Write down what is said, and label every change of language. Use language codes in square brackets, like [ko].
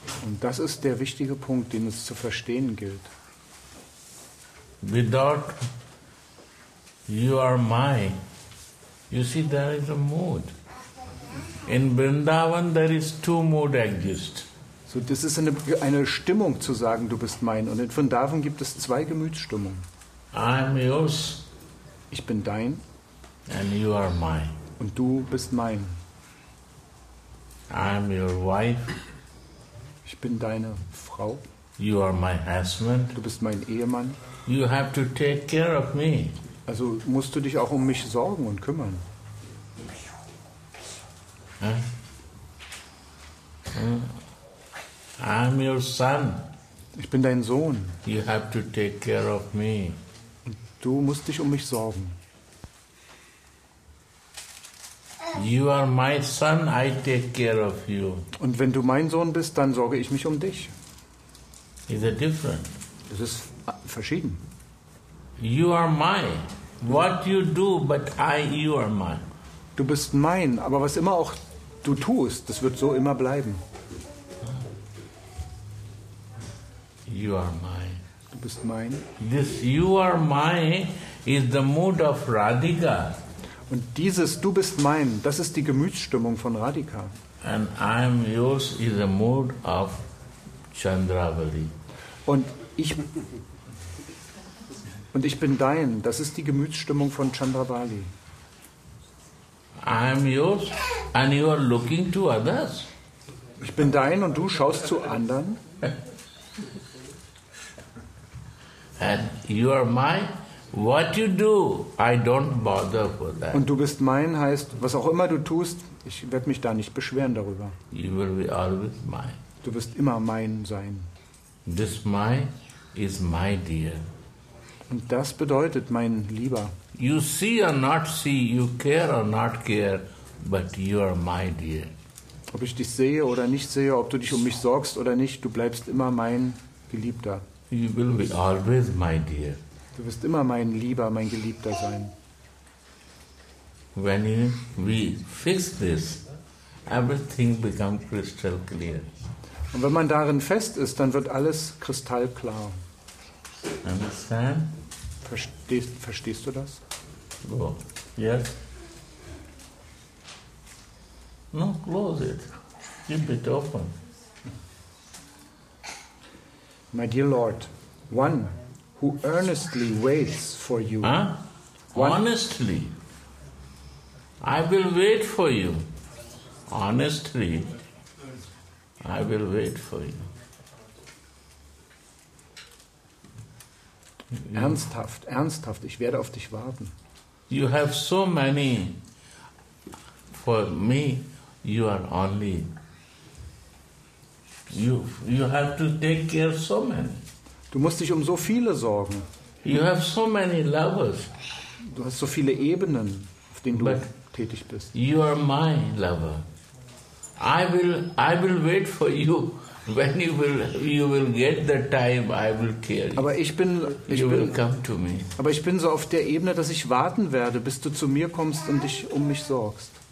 [de] Und das ist der wichtige Punkt, den es zu verstehen gilt. [en] Without you are my, you see, there is a mood. In Vrindavan there is two mood exist. [de] So das ist eine Stimmung zu sagen, du bist mein. Und in Vrindavan gibt es zwei Gemütsstimmungen. [en] I am yours. [de] Ich bin dein. [en] And you are mine. [de] Und du bist mein. [en] I am your wife. [de] Ich bin deine Frau. [en] You are my husband. [de] Du bist mein Ehemann. [en] You have to take care of me. [de] Also musst du dich auch um mich sorgen und kümmern. [en] Huh? I'm your son. [de] Ich bin dein Sohn. [en] You have to take care of me. [de] Und du musst dich um mich sorgen. [en] You are my son, I take care of you. [de] Und wenn du mein Sohn bist, dann sorge ich mich um dich. [en] Is it different? [de] Es ist verschieden. [en] You are my. What you do, but I, you are mine. [de] Du bist mein, aber was immer auch du tust, das wird so immer bleiben. [en] You are mine. [de] Du bist mein. [en] This you are mine is the mood of Radhika. [de] Und dieses du bist mein, das ist die Gemütsstimmung von Radhika. [en] And I am yours is the mood of Chandravali. [de] Und ich bin dein, das ist die Gemütsstimmung von Chandravali. [en] I am yours and you are looking to others. [de] Ich bin dein und du schaust zu anderen. [en] And you are my, what you do, I don't bother for that. [de] Und du bist mein heißt, was auch immer du tust, ich werde mich da nicht beschweren darüber. [en] You will be always mine. [de] Du wirst immer mein sein. [en] This my is my dear. [de] Und das bedeutet mein Lieber. [en] You see or not see, you care or not care, but you are my dear. [de] Ob ich dich sehe oder nicht sehe, ob du dich um mich sorgst oder nicht, du bleibst immer mein Geliebter. [en] You will be always my dear. [de] Du wirst immer mein Lieber, mein Geliebter sein. [en] When we fix this, everything becomes crystal clear. [de] Und wenn man darin fest ist, dann wird alles kristallklar. [en] Understand? [de] Verstehst du das? [en] Oh, yes. No, close it. Keep it open. My dear Lord, one who earnestly waits for you. Honestly. I will wait for you. Honestly, I will wait for you. [de] Ernsthaft, ich werde auf dich warten. [en] You have so many. For me, you are only. You have to take care of so many. [de] Du musst dich um so viele sorgen. [en] You have so many lovers. [de] Du hast so viele Ebenen, auf denen du tätig bist. [en] You are my lover. I will wait for you. When you will get the time, I will care. [de] Aber ich bin so auf der Ebene, dass ich warten werde, bis du zu mir kommst und dich um mich sorgst.